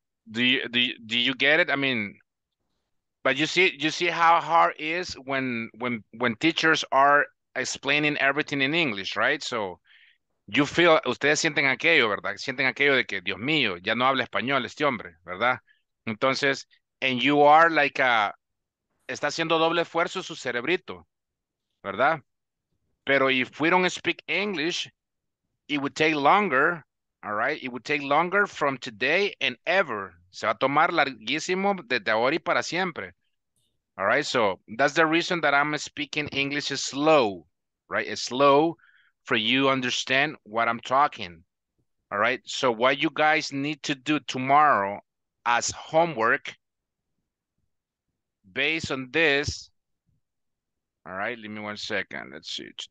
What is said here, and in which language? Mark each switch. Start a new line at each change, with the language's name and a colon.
English: Do you get it? I mean, but you see how hard it is when teachers are explaining everything in English, right? So you feel,
Spanish: ustedes sienten aquello, ¿verdad? Sienten aquello de que, Dios mío, ya no habla español este hombre, ¿verdad? Entonces,
English: and you are like a,
Spanish: está haciendo doble esfuerzo su cerebrito, ¿verdad? Pero
English: if we don't speak English, it would take longer, all right? It would take longer from today and ever.
Spanish: Se va a tomar larguísimo desde ahora y para siempre.
English: All right, so that's the reason that I'm speaking English slow, right? It's slow for you to understand what I'm talking, all right? So what you guys need to do tomorrow as homework, based on this, all right, give me one second, let's see.